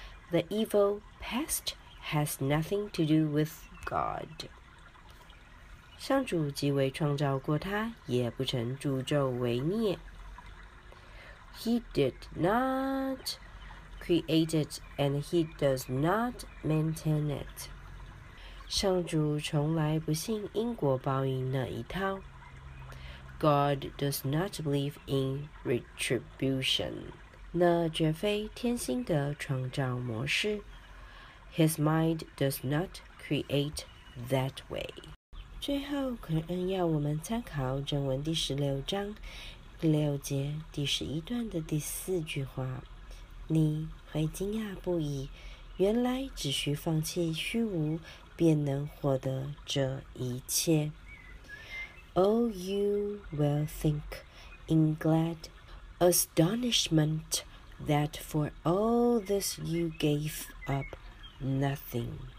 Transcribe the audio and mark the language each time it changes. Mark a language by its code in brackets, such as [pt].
[en] The evil past has nothing to do with God. [zh] 上主既未创造过他，也不曾助纣为虐。 [en] He did not create it, and he does not maintain it. [zh] 上主从来不信因果报应那一套。 [en] God does not believe in retribution. [zh] 那绝非天心的创造模式。 [en] His mind does not create that way. [zh] 最后，可恩要我们参考正文第十六章第六节第十一段的第四句话。你会惊讶不已，原来只需放弃虚无便能获得这一切。 [en] Oh, you will think in glad astonishment that for all this you gave up nothing.